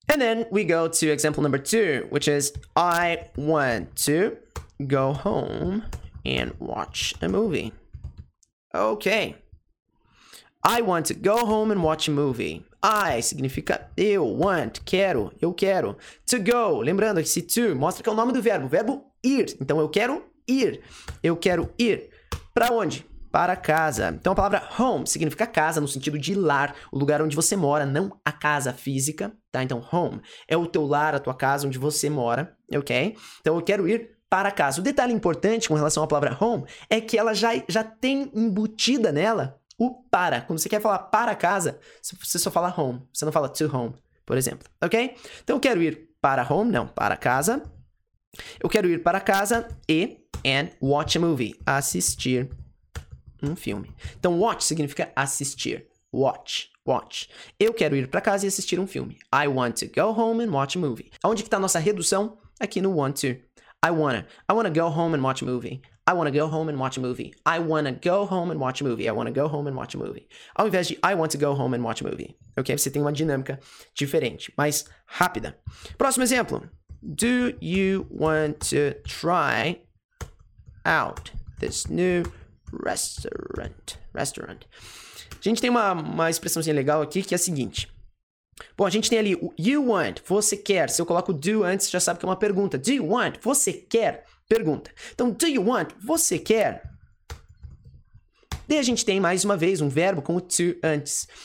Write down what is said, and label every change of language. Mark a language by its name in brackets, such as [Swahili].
[English] And then we go to example number two, which is I want to go home and watch a movie. Ok. I want to go home and watch a movie. [Portuguese] I significa eu, want, quero, eu quero. To go, lembrando que esse to mostra que é o nome do verbo. Verbo ir. Então, eu quero ir. Eu quero ir. Para onde? Para casa. Então, a palavra home significa casa no sentido de lar. O lugar onde você mora, não a casa física. Tá? Então, home é o teu lar, a tua casa onde você mora. Ok? Então, eu quero ir para casa. O detalhe importante com relação à palavra home é que ela já tem embutida nela o para. Quando você quer falar para casa, você só fala home. Você não fala to home, por exemplo. Ok? Então, eu quero ir para home. Não, para casa. Eu quero ir para casa [English] and watch a movie. [Portuguese] Assistir um filme. Então, watch significa assistir. Watch, watch. Eu quero ir para casa e assistir um filme. [English] I want to go home and watch a movie. [Portuguese] Onde que está a nossa redução? Aqui no [English] want to. I wanna go home and watch a movie. I wanna go home and watch a movie. I wanna go home and watch a movie. I wanna go home and watch a movie. [Portuguese] Ao invés de [English] I want to go home and watch a movie. Ok? [Portuguese] Você tem uma dinâmica diferente, mais rápida. Próximo exemplo. [English] Do you want to try out this new restaurant? [Portuguese] A gente tem uma expressãozinha legal aqui, que é a seguinte. Bom, a gente tem ali o you want, você quer. Se eu coloco do antes, já sabe que é uma pergunta. [English] Do you want, [Portuguese] você quer? Pergunta. Então, do you want, você quer? Daí a gente tem mais uma vez um verbo com o to antes.